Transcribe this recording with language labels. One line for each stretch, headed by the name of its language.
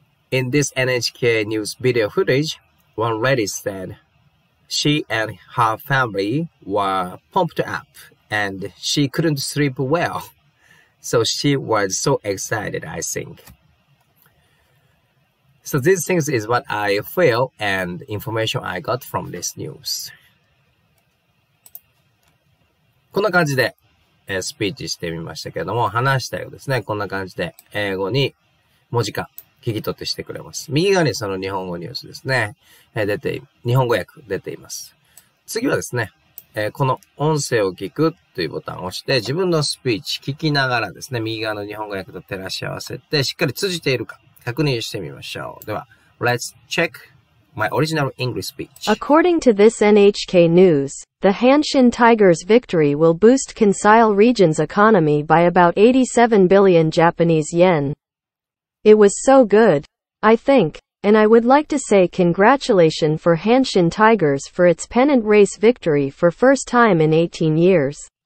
English: In this NHK news video footage, one lady said she and her family were pumped up and she couldn't sleep well. So she was so excited, I think. So these things is what I feel and information I got from this news.
Japanese: こんな感じで、スピーチしてみましたけども、話したようですね。こんな感じで英語に文字化、聞き取ってしてくれます。右側にその日本語ニュースですね。日本語訳出ています。次はですね、この音声を聞くというボタンを押して、自分のスピーチ聞きながらですね、右側の日本語訳と照らし合わせて、しっかり通じているか。では、
English: Let's check my original English speech. According to this NHK news, the Hanshin Tigers' victory will boost Kansai region's economy by about 87 billion Japanese yen. It was so good, I think, and I would like to say congratulations for Hanshin Tigers for its pennant race victory for first time in 18 years.